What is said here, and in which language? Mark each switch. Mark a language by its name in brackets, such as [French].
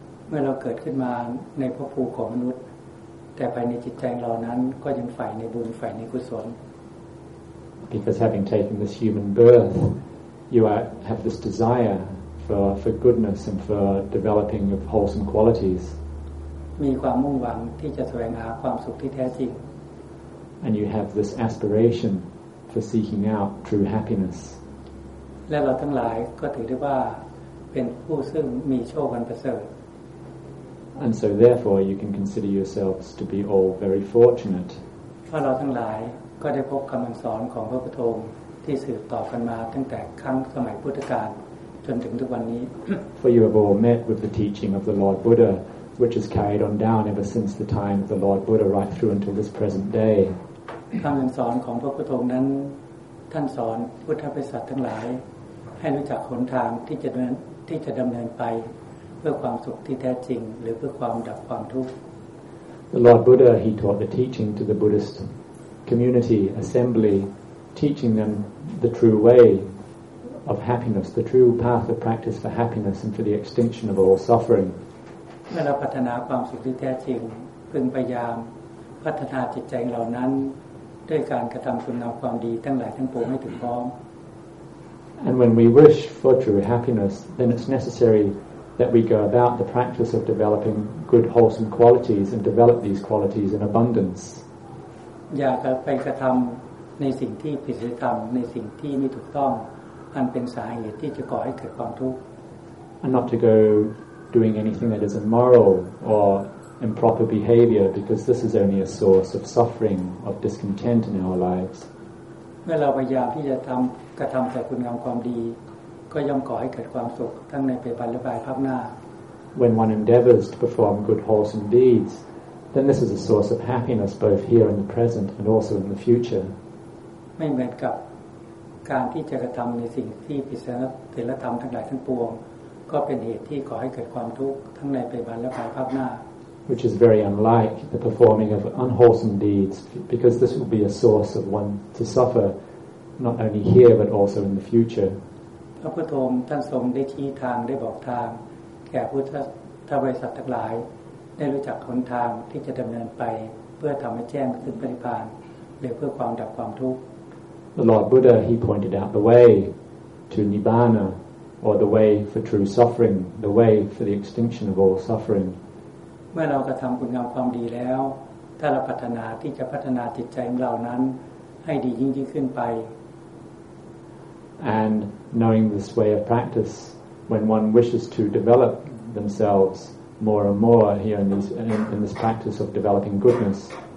[English] Because having taken this human birth, you have this desire for goodness and for developing of wholesome qualities. And you have this aspiration for seeking out true happiness. [Thai] และเราทั้งหลายก็ถือได้ว่าเป็นผู้ซึ่งมีโชคอันประเสริฐ [English] And so therefore you can consider yourselves to be all very fortunate [Thai] เพราะเราทั้งหลายก็ได้พบคำสอนของพระพุทธองค์ที่สืบต่อกันมาตั้งแต่ครั้งสมัยพุทธกาลจนถึงทุกวันนี้ [English] For you have all met with the teaching of the Lord Buddha which has carried on down ever since the time of the Lord Buddha right through until this present day [Thai] คำสอนของพระพุทธองค์นั้นท่านสอนพุทธบริษัททั้งหลายให้รู้จักหนทางที่จะดำเนินไปเพื่อความสุขที่แท้จริงหรือเพื่อความดับความทุกข์ [English] The Lord Buddha he taught the teaching to the Buddhist community assembly teaching them the true way of happiness the true path of practice for happiness and for the extinction of all suffering [Thai] เมื่อเราพัฒนาความสุขที่แท้จริงพึงพยายามพัฒนาจิตใจเหล่านั้นด้วยการกระทำคุณงามความดีทั้งหลายทั้งปวงให้ถึงพร้อม [English] And when we wish for true happiness, then it's necessary that we go about the practice of developing good, wholesome qualities and develop these qualities in abundance. [Thai] อย่าไปกระทําในสิ่งที่ผิดศีลธรรมในสิ่งที่ไม่ถูกต้องอันเป็นสาเหตุที่จะก่อให้เกิดความทุกข์ [English] And not to go doing anything that is immoral or improper behavior because this is only a source of suffering, of discontent in our lives. [Thai] เมื่อเราพยายามที่จะกระทำแต่คุณงามความดีก็ย่อมก่อให้เกิดความสุขทั้งในปัจจุบันและภายภาคหน้า [English] When one endeavors to perform good wholesome deeds then this is a source of happiness both here in the present and also in the future [Thai] ไม่เหมือนกับการที่จะกระทำในสิ่งที่ผิดศีลธรรมทั้งหลายทั้งปวงก็เป็นเหตุที่ก่อให้เกิดความทุกข์ทั้งในปัจจุบันและภายภาคหน้า [English] Which is very unlike the performing of unwholesome deeds, because this will be a source of one to suffer, not only here but also in the future. [Thai] พระพุทธองค์ท่านทรงได้ชี้ทางได้บอกทางแก่พุทธบริษัททั้งหลายได้รู้จักหนทางที่จะดำเนินไปเพื่อทำให้แจ้งถึงปฏิภาณหรือเพื่อความดับความทุกข์ [English] The Lord Buddha he pointed out the way to Nibbana, or the way for true suffering, the way for the extinction of all suffering. [Thai] เมื่อเรากระทำคุณงามความดีแล้วถ้าเราปรารถนาที่จะพัฒนาจิตใจของเรานั้นให้ดียิ่งขึ้นไป [English] and knowing this way of practice when one wishes to develop themselves more and more here in this practice of developing goodness